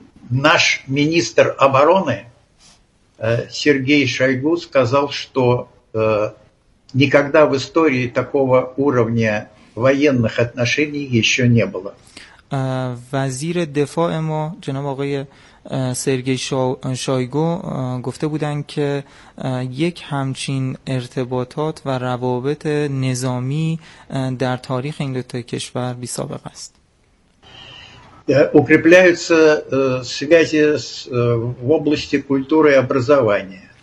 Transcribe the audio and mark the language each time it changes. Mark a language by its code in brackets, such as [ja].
[ru] наш министр обороны Сергей Шойгу сказал, что никогда в истории такого уровня военных отношений еще не было. [fa] وزیر دفاع ما جناب آقای سرگی شایگو گفته بودن که یک همچین ارتباطات و روابط نظامی در تاریخ این دو تا کشور بی سابقه است. [ru] укрепляются связи в области культуры и образования.